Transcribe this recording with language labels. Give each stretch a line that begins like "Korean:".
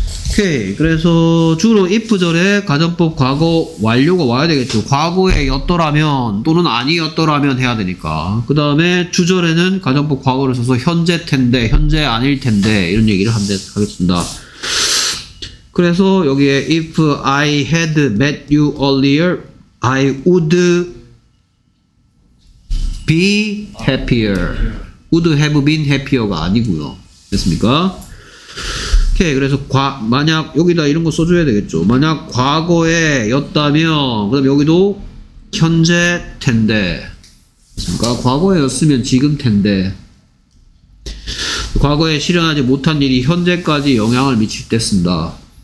Korean: 오케이. 그래서 주로 if절에 가정법 과거 완료가 와야 되겠죠. 과거에 였더라면 또는 아니었더라면 해야 되니까. 그 다음에 주절에는 가정법 과거를 써서 현재 텐데, 현재 아닐 텐데 이런 얘기를 하겠습니다. 그래서 여기에
English: if I had met you earlier, I would be happier. Would have been happier가
Korean: 아니고요. 됐습니까? 오케이. 그래서 만약 여기다 이런 거 써줘야 되겠죠. 만약 과거에였다면, 그럼 여기도 현재 텐데. 그러니까 과거에였으면 지금 텐데. 과거에 실현하지 못한 일이 현재까지 영향을 미칠 때 쓴다.